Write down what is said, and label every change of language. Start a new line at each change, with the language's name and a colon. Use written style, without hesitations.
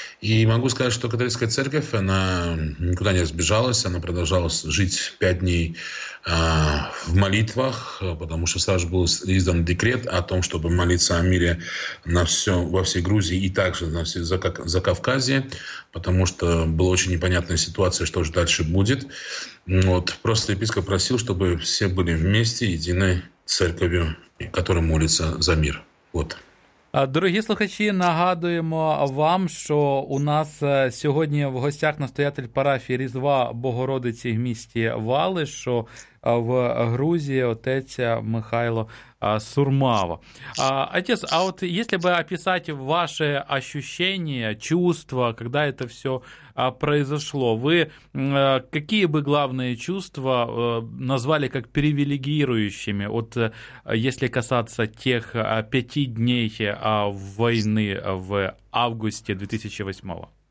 Russian: И могу сказать, что католическая церковь, она никуда не разбежалась, она продолжала жить 5 дней в молитвах, потому что сразу же был издан декрет о том, чтобы молиться о мире во всей Грузии и также за Кавказье, потому что была очень непонятная ситуация, что же дальше будет. Вот, просто епископ просил, чтобы все были вместе, единой церковью, которая молится за мир. Вот.
Ukrainian: Дорогі слухачі, нагадуємо вам, що у нас сьогодні в гостях настоятель парафії Різдва Богородиці в місті Вали, що
Russian: в Грузии отеця Михайло Сурмава. Отец, а вот если бы описать ваши ощущения, чувства, когда это все произошло, вы какие бы главные чувства назвали как привилегирующими, вот если касаться тех 5 дней войны в августе 2008-го?